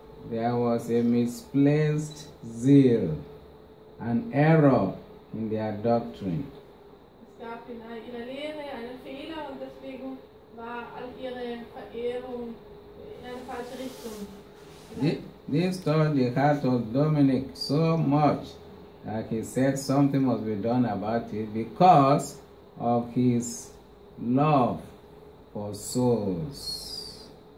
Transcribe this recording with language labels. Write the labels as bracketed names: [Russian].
[English] There was a misplaced zeal, an error in their doctrine. [German] Es gab in ihrer Lehre einen Fehler und deswegen war all ihre Verehrung in eine falsche Richtung. [English] This touched the heart of Dominic so much that he said something must be done about it because of his love for souls.